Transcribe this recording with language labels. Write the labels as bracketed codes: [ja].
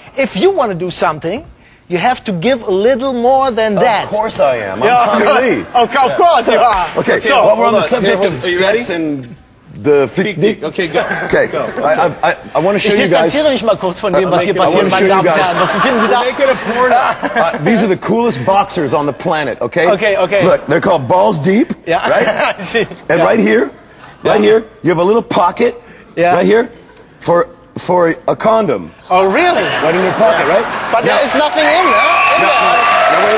[en] If you want to do something, you have to give a little more than that. Of course I am. I'm Tommy Lee. Of course you are. Okay. So while we're on the subject of sex and the fick-dick. Okay, go. Okay. I want to show you guys. [de] Ich distanziere mich mal kurz von dem, was hier passiert, meine Damen und Herren. Was befinden Sie da? [en] Make it a porno. These are the coolest boxers on the planet. Okay. Okay. Okay. Look, they're called Balls Deep. Yeah. Right. And right here. Right here, you have a little pocket, right here, for a condom. Oh, really? Right in your pocket, right? But there is nothing in there.